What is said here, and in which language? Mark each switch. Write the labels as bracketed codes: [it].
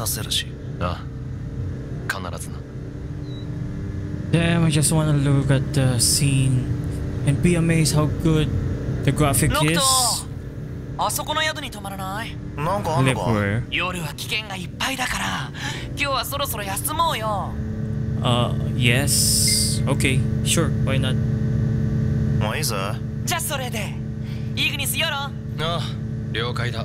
[ja] いつか戻ることになる。そうだな。すぐにとはいかないが。クリスタル、ないんだよね。取られたっつってたな。返させるし。ああ。必ずな。 [en] Damn, I just wanna look at the scene and be amazed how good the graphic is. [ja] あそこの宿に泊まらない？なんかあるのか？夜は危険がいっぱいだから、今日はそろそろ休もうよ。 [en] Yes. Okay, sure, why not? [ja] まあいいぞ。じゃあそれで。イグニスよろ。ああ、了解だ。